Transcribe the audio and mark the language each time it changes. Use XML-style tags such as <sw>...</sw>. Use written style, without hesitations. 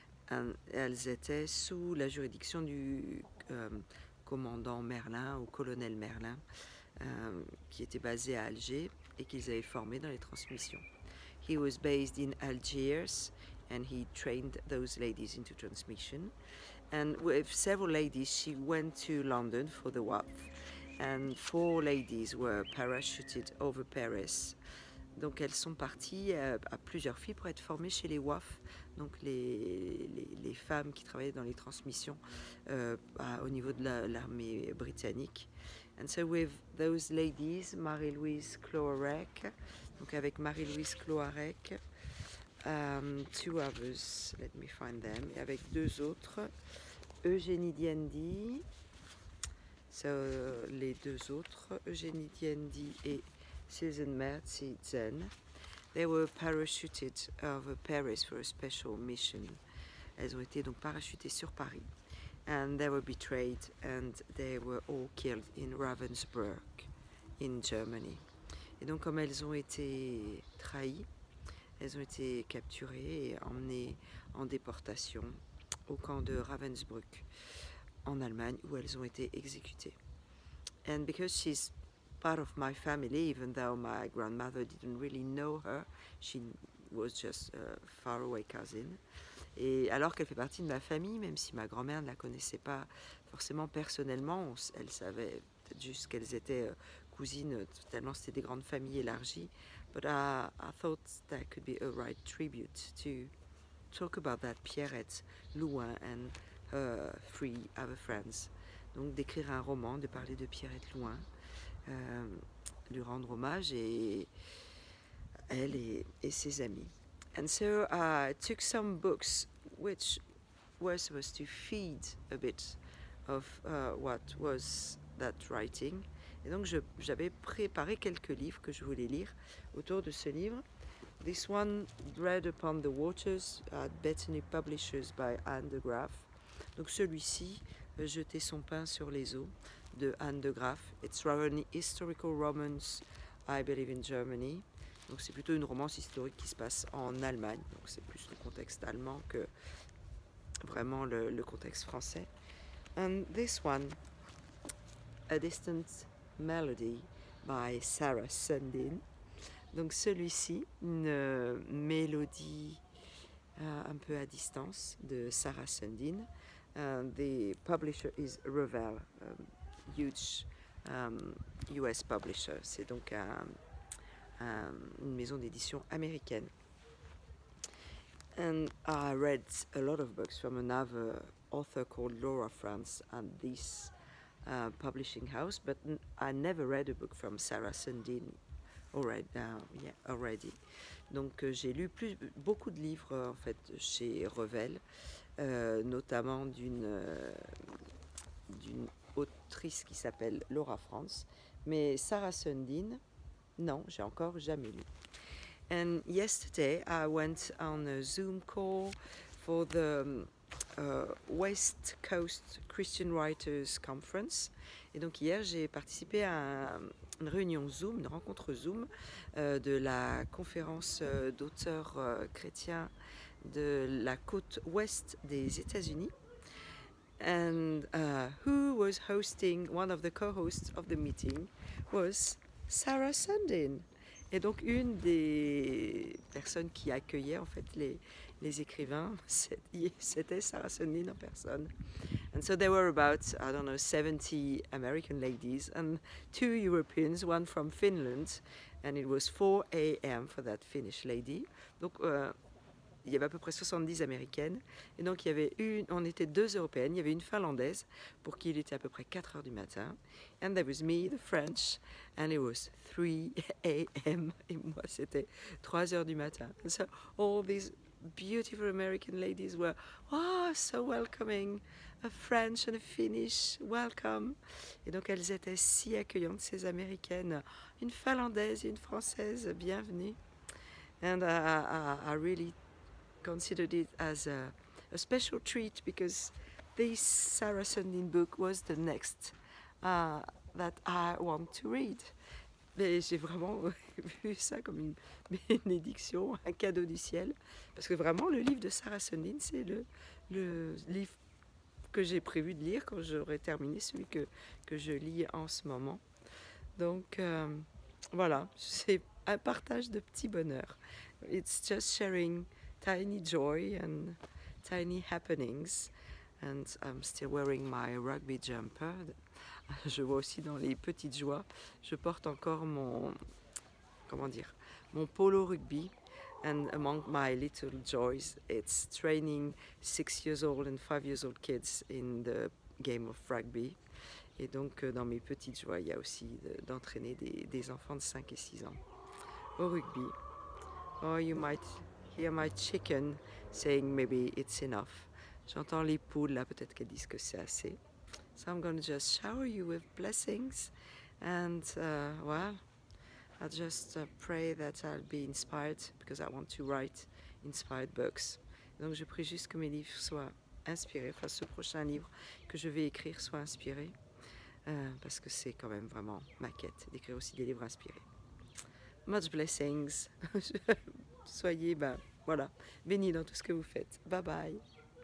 <en>And</en> <fr>elles étaient sous la juridiction du commandant Merlin ou colonel Merlin, qui était basé à Alger et qu'ils avaient formé dans les transmissions.</fr> <en>He was based in Algiers. And he trained those ladies into transmission. And with several ladies, she went to London for the WAF. And four ladies were parachuted over Paris.</en> <fr>Donc elles sont parties à plusieurs filles pour être formées chez les WAF, donc les femmes qui travaillaient dans les transmissions au niveau de l'armée britannique.</fr> <en>And so with those ladies, Marie-Louise Cloarec,</en> <fr>donc avec</fr> <en>Marie-Louise Cloarec, two others, let me find them,</en> <fr>et avec deux autres,</fr> <en>Eugénie Diendi, so</en> <fr>les deux autres,</fr> <en>Eugénie Diendi et Susan Mertzi Zen, they were parachuted over Paris for a special mission.</en> <fr>Elles ont été donc parachutées sur Paris,</fr> <en>and they were betrayed and they were all killed in Ravensbrück in Germany.</en> <fr>Et donc comme elles ont été trahies, elles ont été capturées et emmenées en déportation au camp de Ravensbrück en Allemagne où elles ont été exécutées.</fr> <en>And because she's part of my family, even though my grandmother didn't really know her, she was just a faraway cousin.</en> <fr>Et alors qu'elle fait partie de ma famille, même si ma grand-mère ne la connaissait pas forcément personnellement, elle savait peut-être juste qu'elles étaient cousines, tellement c'était des grandes familles élargies.</fr> <en>But I thought that could be a right tribute to talk about that Pierrette Louin and her three other friends.</en> <fr>Donc d'écrire un roman, de parler de Pierrette Louin, lui rendre hommage et elle et ses amis.</fr> <en>And so I took some books which were supposed to feed a bit of what was that writing.</en> <fr>Et donc j'avais préparé quelques livres que je voulais lire autour de ce livre.</fr> <en>This one, Bread Upon the Waters, at Bethany Publishers by Anne de Graaf.</en> <fr>Donc celui-ci, Jeter son pain sur les eaux, de Anne de Graaf.</fr> <en>It's rather an historical romance, I believe, in Germany.</en> <fr>Donc c'est plutôt une romance historique qui se passe en Allemagne. Donc c'est plus le contexte allemand que vraiment le contexte français.</fr> <en>And this one, A Distant Melody by Sarah Sundin.</en> <fr>Donc celui-ci, une mélodie un peu à distance de Sarah Sundin.</fr> <en>The publisher is Revel, huge US publisher.</en> <fr>C'est donc une maison d'édition américaine.</fr> <en>And I read a lot of books from another author called Laura France and this publishing house, but I never read a book from Sarah Sundin already.</en> <fr>Donc j'ai lu beaucoup de livres en fait chez Revel, notamment d'une autrice qui s'appelle Laura France, mais Sarah Sundin, non, j'ai encore jamais lu.</fr> <en>And yesterday I went on a Zoom call for the West Coast Christian Writers Conference.</en> <fr>Et donc hier j'ai participé à une réunion Zoom, une rencontre Zoom de la conférence d'auteurs chrétiens de la côte ouest des États-Unis.</fr> <en>And who was hosting, one of the co-hosts of the meeting was Sarah Sundin.</en> <fr>Et donc une des personnes qui accueillait en fait les écrivains, c'était Sarah Sundin en personne.</fr> <en>And so there were about, I don't know, 70 American ladies and two Europeans, one from Finland, and it was 4 a.m. for that Finnish lady.</en> <fr>Donc il y avait à peu près 70 américaines, et donc il y avait on était deux européennes, il y avait une finlandaise pour qui il était à peu près 4 heures du matin,</fr> <en>and there was me, the French, and it was 3 a.m.</en> <fr>et moi c'était 3 heures du matin.</fr> <en>And so all these beautiful American ladies were, oh, so welcoming, a French and a Finnish, welcome.</en> <fr>Et donc elles étaient si accueillantes, ces américaines, une finlandaise et une française, bienvenue.</fr> <en>And I really considered it as a special treat because this Sarah Sundin book was the next that I want to read.</en> <fr>Mais j'ai vraiment vu ça comme une bénédiction, un cadeau du ciel, parce que vraiment le livre de Sarah Sundin, c'est le livre que j'ai prévu de lire quand j'aurai terminé celui que je lis en ce moment. Donc voilà, c'est un partage de petits bonheurs.</fr> <en>It's just sharing tiny joy and tiny happenings, and I'm still wearing my rugby jumper.</en> <fr>Je vois aussi dans les petites joies, je porte encore mon polo rugby.</fr> <en>And among my little joys, it's training 6 years old and 5 years old kids in the game of rugby.</en> <fr>Et donc dans mes petites joies, il y a aussi d'entraîner des enfants de 5 et 6 ans au rugby.</fr> <en>Oh, you might hear my chicken saying maybe it's enough.</en> <fr>J'entends les poules là, peut-être qu'elles disent que c'est assez.</fr> <en>So I'm going to just shower you with blessings, and well, I just pray that I'll be inspired because I want to write inspired books.</en> <fr>Donc je prie juste que mes livres soient inspirés, enfin ce prochain livre que je vais écrire soit inspiré, parce que c'est quand même vraiment ma quête d'écrire aussi des livres inspirés.</fr> <en>Much blessings.</en> <fr>Soyez, bénis dans tout ce que vous faites. Bye bye.</fr>